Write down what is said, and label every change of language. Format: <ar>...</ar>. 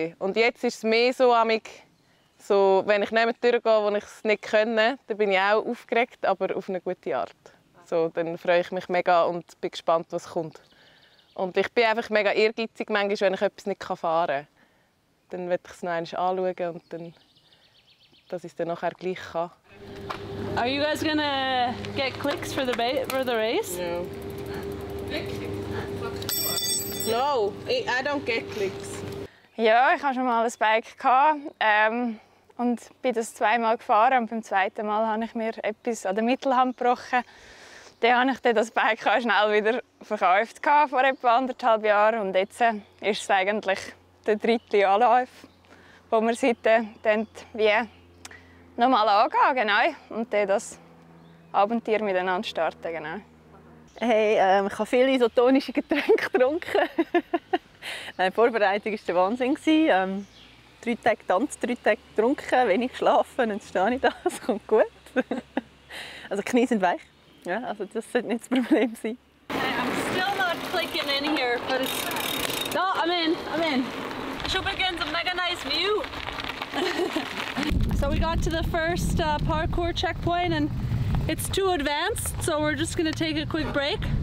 <de>Und jetzt ist es mehr so, so wenn ich nicht mehr durchgehe, wo ich es nicht könnte, dann bin ich auch aufgeregt, aber auf eine gute Art. So, dann freue ich mich mega und bin gespannt, was kommt. Und ich bin einfach mega ehrgeizig, manchmal, wenn ich etwas nicht fahren kann. Dann will ich es noch einmal anschauen und dann, dass ich es dann nachher gleich kann.</de> <en>Are you guys gonna get clicks for the race? No. No, I don't get clicks.</en> <de>Ja, ich habe schon mal ein Bike gehabt. Und bin das zweimal gefahren und beim zweiten Mal habe ich mir etwas an der Mittelhand gebrochen. Dann habe ich das Bike schnell wieder verkauft vor etwa anderthalb Jahren. Und jetzt ist es eigentlich der dritte Anlauf, wo wir seitdem wie nochmal angehen, genau. Und dann das Abenteuer miteinander starten, genau. Hey, ich habe viele isotonische Getränke getrunken. Die Vorbereitung war der Wahnsinn. Drei Tage getanzt, drei Tage getrunken, wenig geschlafen, jetzt stehe ich da, es kommt gut. Also die Knie sind weich. Ja, also das sollte nicht das Problem sein.</de> <en>I'm still not clicking in here, but it's... Da, oh, I'm in.</en> <de>Schon beginnt,</de> <en>a mega nice view. So we got to the first parkour checkpoint and it's too advanced, so we're just gonna take a quick break.</en>